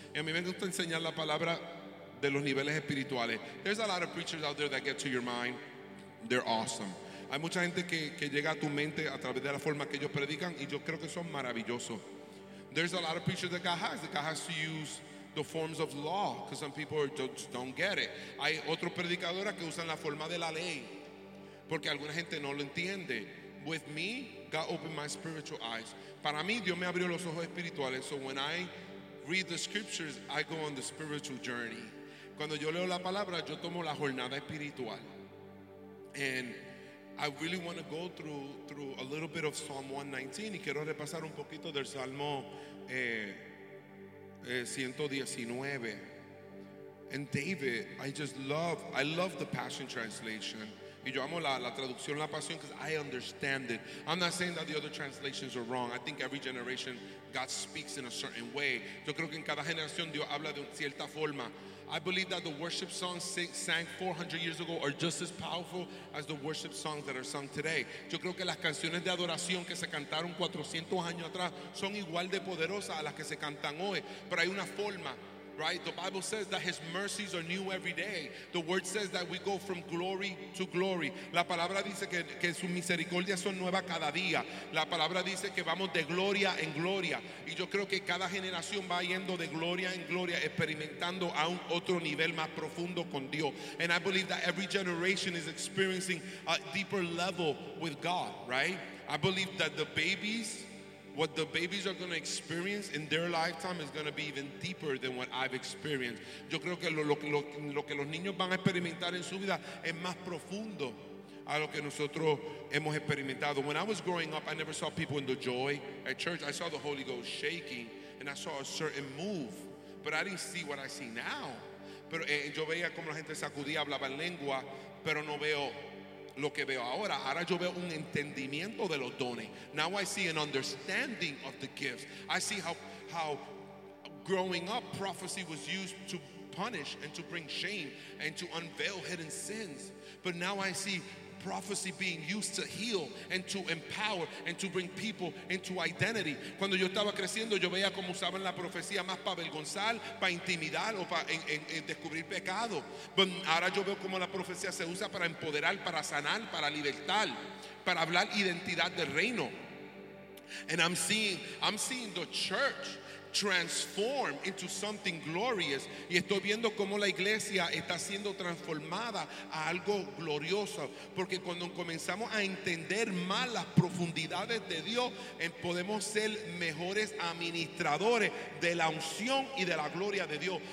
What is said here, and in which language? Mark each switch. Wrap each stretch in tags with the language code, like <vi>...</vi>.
<es>Y a mí me gusta enseñar la palabra de los niveles espirituales.</es> <en>There's a lot of preachers out there that get to your mind. They're awesome.</en> <es>Hay mucha gente que llega a tu mente a través de la forma que ellos predican y yo creo que son maravillosos.</es> <en>There's a lot of preachers that God has. That God has to use the forms of law because some people just don't get it.</en> <es>Hay otros predicadores que usan la forma de la ley. Porque alguna gente no lo entiende.</es> <en>With me, God opened my spiritual eyes.</en> <es>Para mí, Dios me abrió los ojos espirituales.</es> <en>So when I read the scriptures, I go on the spiritual journey.</en> <es>Cuando yo leo la palabra, yo tomo la jornada espiritual.</es> <en>And I really want to go through a little bit of Psalm 119.</en> <es>Y quiero repasar un poquito del Salmo 119.</es> <en>And David, I love the Passion Translation.</en> <es>Y yo amo la traducción, la pasión,</es> <en>because I understand it. I'm not saying that the other translations are wrong. I think every generation, God speaks in a certain way.</en> <es>Yo creo que en cada generación Dios habla de cierta forma.</es> <en>I believe that the worship songs sang 400 years ago are just as powerful as the worship songs that are sung today.</en> <es>Yo creo que las canciones de adoración que se cantaron 400 años atrás son igual de poderosas a las que se cantan hoy. Pero hay una forma.</es> <en>Right? The Bible says that his mercies are new every day. The word says that we go from glory to glory.</en> <es>La palabra dice que sus misericordias son nuevas cada día. La palabra dice que vamos de gloria en gloria. Y yo creo que cada generación va yendo de gloria en gloria, experimentando a un otro nivel más profundo con Dios.</es> <en>And I believe that every generation is experiencing a deeper level with God, right? I believe that what the babies are going to experience in their lifetime is going to be even deeper than what I've experienced.</en> <es>Yo creo que lo que los niños van a experimentar en su vida es más profundo a lo que nosotros hemos experimentado.</es> <en>When I was growing up, I never saw people in the joy at church. I saw the Holy Ghost shaking, and I saw a certain move. But I didn't see what I see now.</en> <es>Pero yo veía como la gente sacudía, hablaba en lengua, pero no veo lo que veo ahora. Ahora yo veo un entendimiento de los dones.</es> <en>Now I see an understanding of the gifts. I see how growing up prophecy was used to punish and to bring shame and to unveil hidden sins. But now I see prophecy being used to heal and to empower and to bring people into identity.</en> <es>Cuando yo estaba creciendo, yo veía cómo usaban la profecía más para avergonzar, para intimidar o para descubrir pecado. But ahora yo veo cómo la profecía se usa para empoderar, para sanar, para libertar, para hablar identidad del reino.</es> <en>And I'm seeing the church transform into something glorious.</en> <es>Y estoy viendo cómo la iglesia está siendo transformada a algo glorioso. Porque cuando comenzamos a entender más las profundidades de Dios, podemos ser mejores administradores de la unción y de la gloria de Dios.</es>